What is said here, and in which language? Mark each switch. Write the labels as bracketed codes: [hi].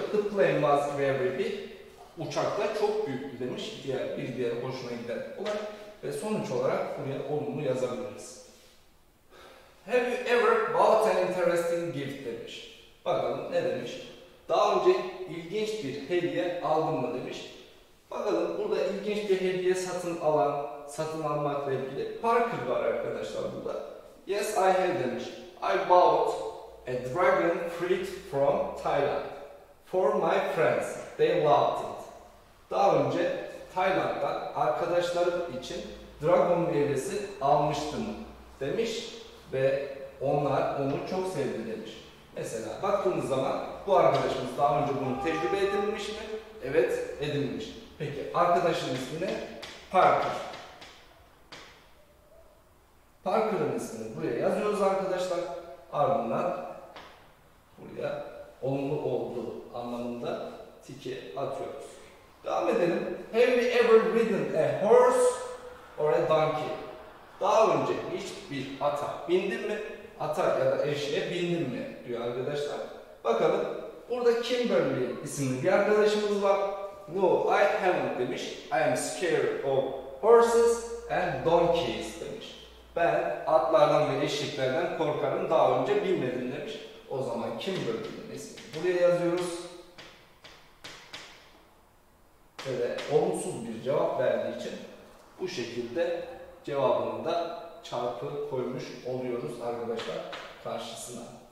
[en] The plane was very big, [tr] uçakla çok büyüktü demiş diğer bir diğer hoşuna giden olay. Ve sonuç olarak buraya olumlu yazabiliriz. [en] Have you ever bought an interesting gift demiş. [tr] Bakalım ne demiş. Daha önce ilginç bir hediye aldın mı demiş. Bakalım burada ilginç bir hediye satın alan, satın almakla ilgili Parker var arkadaşlar burada. [en] Yes I have [tr] demiş. [en] I bought A dragon freed from Thailand. For my friends, they loved it. [tr] Daha önce Tayland'dan arkadaşlarım için dragon meyvesi almıştım demiş ve onlar onu çok sevdi demiş. Mesela baktığımız zaman bu arkadaşımız daha önce bunu tecrübe edinmiş mi? Evet, edinmiş. Peki arkadaşın ismi ne? Parker. Parker'ın ismini buraya yazıyoruz arkadaşlar. Ardından buraya olumlu olduğu anlamında tiki atıyoruz. Devam edelim. [en] Have you ever ridden a horse or a donkey? [tr] Daha önce hiçbir ata bindin mi? Ata ya da eşeğe bindin mi diyor arkadaşlar. Bakalım. Burada Kimberly isimli bir arkadaşımız var. [en] No, I haven't demiş. I am scared of horses and donkeys demiş. [tr] Ben atlardan ve eşeklerden korkarım. Daha önce bilmedim demiş. O zaman Kimberly'nin ismini buraya yazıyoruz. Ve olumsuz bir cevap verdiği için bu şekilde cevabını da çarpı koymuş oluyoruz arkadaşlar karşısına.